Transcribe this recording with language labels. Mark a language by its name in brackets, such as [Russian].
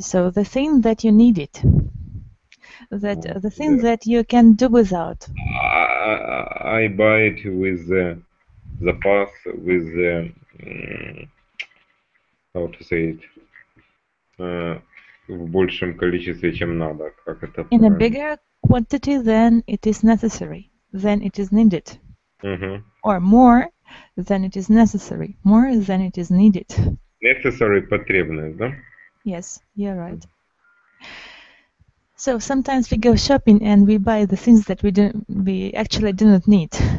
[English] So the thing that you needed, that the thing that you can do without. I buy it with the path, with the, how to say it? [Russian] В большем количестве, чем надо. Как это? [English] In a bigger quantity than it is necessary, than it is needed. Uh-huh. Or more than it is necessary, more than it is needed. [Russian] Necessary, потребность, да? [English] Yes, you're right. So sometimes we go shopping and we buy the things that we actually do not need.